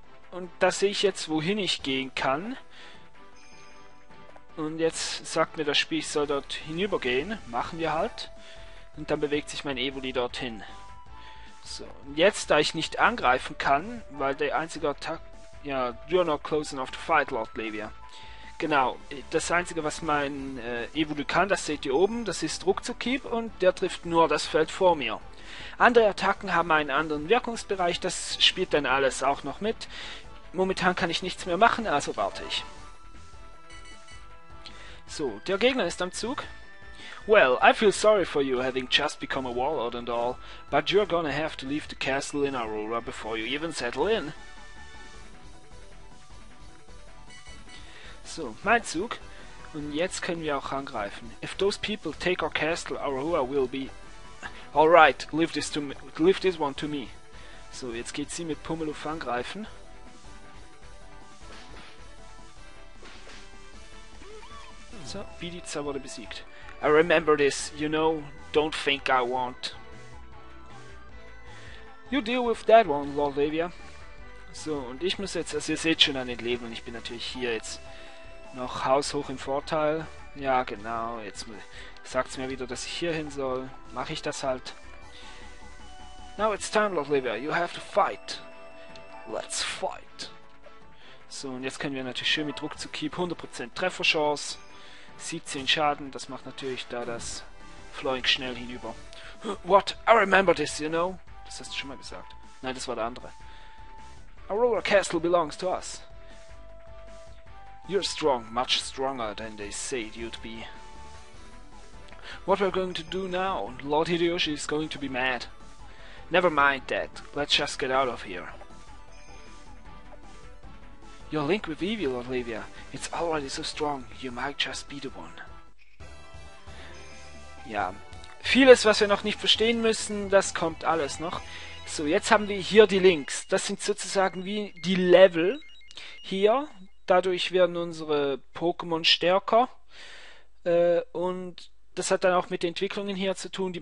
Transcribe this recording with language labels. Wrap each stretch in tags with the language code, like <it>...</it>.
<de>Und da sehe ich jetzt, wohin ich gehen kann. Und jetzt sagt mir das Spiel, ich soll dort hinübergehen. Machen wir halt. Und dann bewegt sich mein Evoli dorthin. So, und jetzt, da ich nicht angreifen kann, weil der einzige Attack...</de> <en>Ja, you're not close enough to fight, Lord Lavia.</en> <de>Genau, das Einzige, was mein Evoli kann, das seht ihr oben, das ist Ruckzuckhieb und der trifft nur das Feld vor mir. Andere Attacken haben einen anderen Wirkungsbereich, das spielt dann alles auch noch mit. Momentan kann ich nichts mehr machen, also warte ich. So, der Gegner ist am Zug.</de> <en>Well, I feel sorry for you having just become a warlord and all, but you're gonna have to leave the castle in Aurora before you even settle in.</en> <de>So, mein Zug. Und jetzt können wir auch angreifen.</de> <en>If those people take our castle, Aurora will be... Alright, leave this one to me.</en> <de>So, jetzt geht sie mit Pummeluff angreifen. So, Bidiza wurde besiegt.</de> <en>I remember this, you know, don't think I won't. You deal with that one, Lord Lavia.</en> <de>So, und ich muss jetzt, also ihr seht schon an den Leben, und ich bin natürlich hier jetzt noch haushoch im Vorteil. Ja, genau, jetzt sagt's mir wieder, dass ich hier hin soll. Mach ich das halt.</de> <en>Now it's time, Lord Lavia, you have to fight. Let's fight.</en> <de>So, und jetzt können wir natürlich schön mit Druck zu keep, 100% Trefferchance. 17 Schaden, das macht natürlich da das Flying schnell hinüber.</de> <en>What? I remember this, you know?</en> <de>Das hast du schon mal gesagt. Nein, das war der andere.</de> <en>Aurora Castle belongs to us. You're strong, much stronger than they said you'd be. What we're going to do now? Lord Hideyoshi is going to be mad. Never mind that. Let's just get out of here. Your link with Evie, Lord Lavia, it's already so strong, you might just be the one.</en> <de>Ja, vieles, was wir noch nicht verstehen müssen, das kommt alles noch. So, jetzt haben wir hier die Links. Das sind sozusagen wie die Level hier. Dadurch werden unsere Pokémon stärker. Und das hat dann auch mit den Entwicklungen hier zu tun.</de>